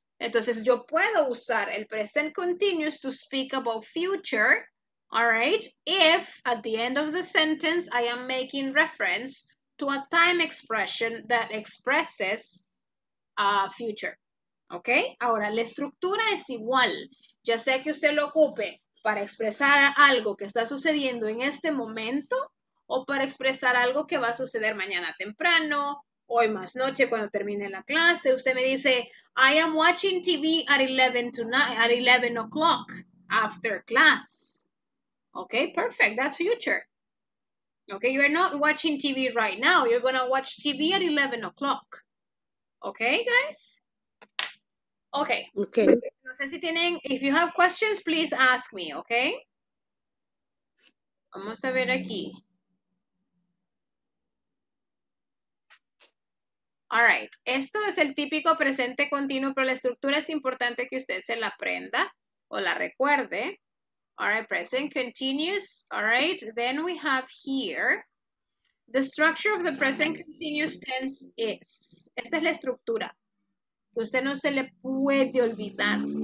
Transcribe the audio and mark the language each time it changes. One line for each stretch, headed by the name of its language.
Spanish: Entonces, yo puedo usar el
English: present continuous to speak about future, all right, if at the end of the sentence I am making reference to a time expression that expresses a future.
Spanish: Okay? Ahora, la estructura es igual. Ya sea que usted lo ocupe para expresar algo que está sucediendo en este momento o para expresar algo que va a suceder mañana temprano, hoy más noche cuando termine la clase. Usted me dice,
English: I am watching TV at 11 tonight, at 11 o'clock after class. Okay, perfect. That's future. Okay, you are not watching TV right now. You're going to watch TV at 11 o'clock. Okay, guys? Okay. Okay.
Spanish: No sé si tienen,
English: if you have questions, please ask me, okay?
Spanish: Vamos a ver aquí.
English: All right.
Spanish: Esto es el típico presente continuo, pero la estructura es importante que usted se la aprenda o la recuerde.
English: All right, present continuous. All right, then we have here the structure of the present continuous tense is.
Spanish: Esta es la estructura que usted no se le puede olvidar.